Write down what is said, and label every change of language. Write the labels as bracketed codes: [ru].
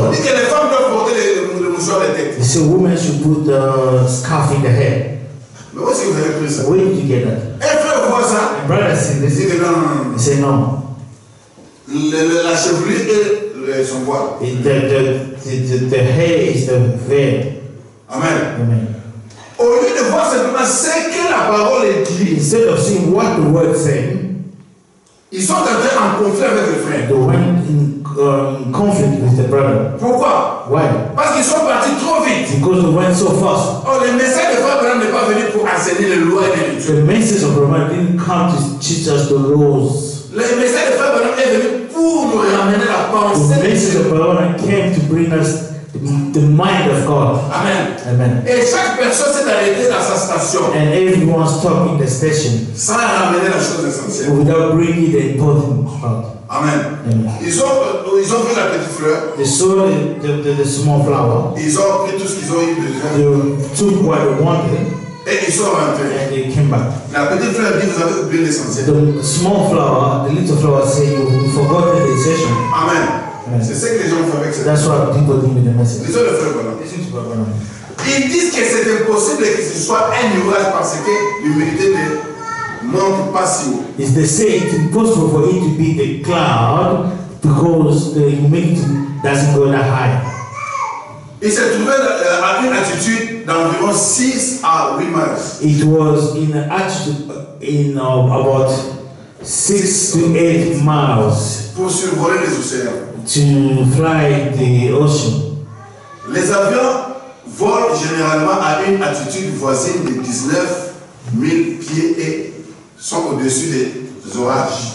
[fr] On dit que les femmes doivent porter le mouchoir à la tête. [en] You say women should put the scarf in the hair. [fr] Mais où est-ce que vous avez pris ça? [en] Where did you get that? [fr] Et frère, vous ça? [en] My brother said this. [fr] Il dit non. [en] He said no. [fr] La chevelure et son voile. [en] The hair is the veil. Amen. Amen. [fr] Au lieu de voir simplement ce que la parole est dit. [en] Instead of seeing what the word says. [fr] Ils sont entrés en conflit avec le frère. [en] They went in conflict with the brother. [fr] Pourquoi? [en] Why? [fr] Parce qu'ils sont partis trop vite. [en] Because they went so fast. [fr] Oh, le message de Abraham n'est pas venu pour enseigner les lois et les rites. [en] The message of Abraham didn't come to teach us the laws. [fr] Le message de Abraham est venu pour nous ramener la pensée. [en] The message of Abraham came to bring us the mind of God. Amen. Amen. [fr] Et chaque personne s'est arrêtée dans sa station. [en] And everyone stopped in the station. [fr] Sans ramener la chose essentielle. [en] Without bringing the important part. Amen. Amen. [fr] Ils ont pris la petite fleur. [en] They saw the small flower. [fr] Ils ont pris tout ce qu'ils ont eu besoin. [en] They took what they wanted. [fr] Et ils sont rentrés. [en] And they came back. [fr] La petite fleur dit, vous avez oublié l'essentiel. [en] The small flower, the little flower said, you forgot the essential. Amen. Yes. [fr] C'est ce que les gens font avec ça. [en] That's what people do with the message. [fr] Ils ont le frère Branham. Ils disent que c'est impossible que ce soit un nuage parce que l'humidité ne monte pas si haut. [en] Is they say it's impossible for it to be a cloud because the humidity doesn't go that high. [fr] Il s'est trouvé à une altitude d'environ 6 à 8 miles. [en] It was in an altitude in about 6 to 8 miles. [fr] Pour survoler les océans. [en] To fly the ocean. [fr] Les avions volent généralement à une altitude voisine de 19 000 pieds et sont au-dessus des orages.